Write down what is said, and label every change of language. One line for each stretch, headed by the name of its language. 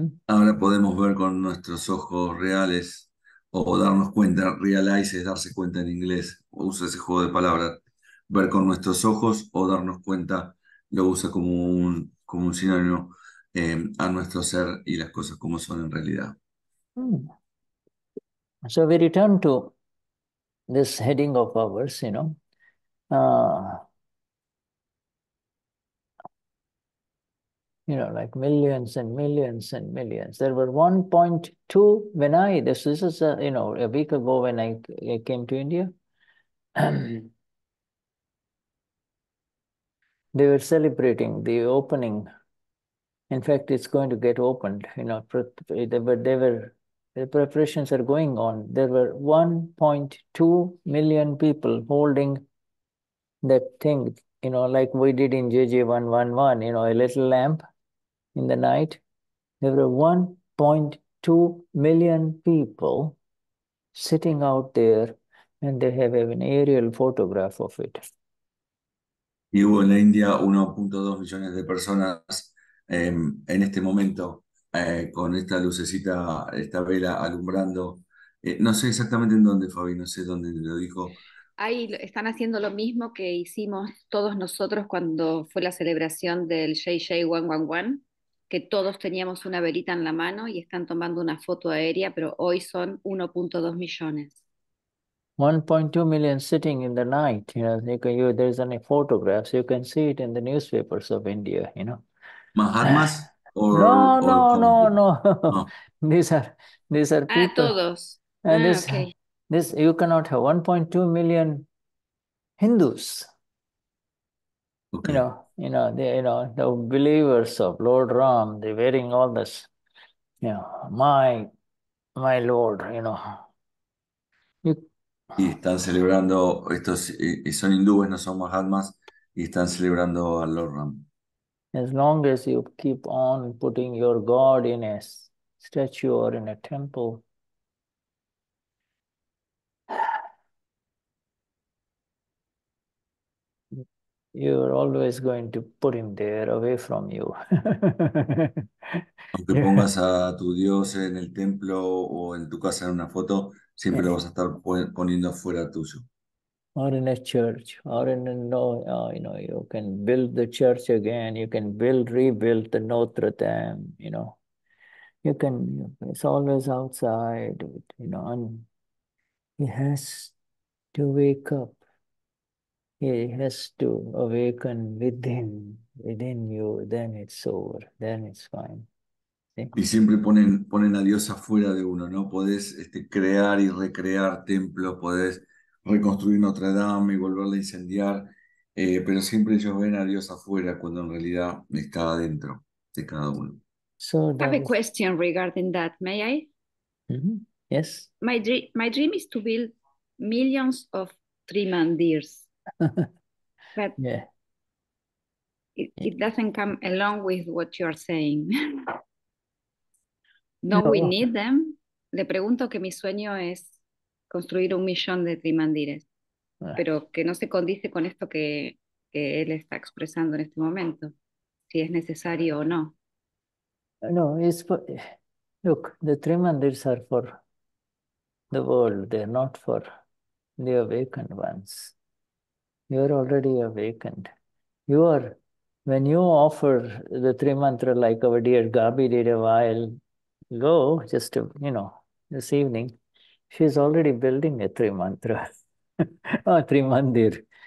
Spanish: Ahora podemos ver con nuestros ojos reales o darnos cuenta, realize es darse cuenta en inglés, usa ese juego de palabras, ver con nuestros ojos o darnos cuenta, lo usa como un sinónimo a nuestro ser y las cosas como son en realidad.
English: So we return to this heading of ours, you know. You know, like millions and millions and millions. There were 1.2 when I, this is, a, you know, a week ago when I came to India. They were celebrating the opening. In fact, it's going to get opened, you know. The preparations are going on. There were 1.2 million people holding that thing, you know, like we did in JJ111, you know, a little lamp. In the night, there were 1.2 million people sitting out there, and they have an aerial photograph of it.
Spanish: Y hubo en la India 1.2 millones de personas en este momento con esta lucecita, esta vela alumbrando. No sé exactamente en dónde, Fabi, no sé dónde lo dijo. Ahí están haciendo lo mismo que hicimos todos nosotros cuando fue la celebración del JJ111. Que todos teníamos una velita en la mano y están tomando una foto aérea, pero hoy son 1.2 millones.
English: 1.2 million sitting in the night, you know, there's any photographs, you can see it in the newspapers of India, you know.
Spanish: ¿Mahatmas?
English: No. These are people.
Spanish: Ah, todos.
English: And ah, this, okay. This, you cannot have 1.2 million Hindus. Okay. The believers of Lord Ram, they're wearing all this, you know, my Lord, you know. You...
Spanish: Y están celebrando, estos son hindúes, no son mahatmas, y están celebrando a Lord Ram.
English: As long as you keep on putting your God in a statue or in a temple, you You're always going to put him there away from you.
Spanish: Aunque pongas a tu Dios en el templo o en tu casa en una foto, siempre lo vas a estar poniendo fuera tuyo.
English: Or in a church, or in a, no, you know, you can build the church again, you can build, rebuild the Notre Dame, you know. You can, it's always outside, you know, and he has to wake up. He has to awaken within you, then it's over, then it's fine.
Spanish: Y siempre ponen a Dios afuera de uno, ¿no? Podés crear y recrear templos, podés reconstruir Notre Dame y volverla a incendiar, pero siempre ellos ven a Dios afuera cuando en realidad está adentro de cada uno.
English: So I have that a is. question regarding that. May I? Yes. My dream is to build millions of trimandirs, but Yeah. it doesn't come along with what you are saying. Don't we No. need them?
Spanish: Le pregunto que mi sueño es construir un millón de trimandires, pero que no se condice con esto que él está expresando en este momento, si es necesario o no.
English: No, it's for, look, the three mandirs are for the world, they're not for the awakened ones. You're already awakened. You are, when you offer the three mantra like our dear Gabi did a while ago, just to, you know, this evening, she's already building a three mantra, a three mandir.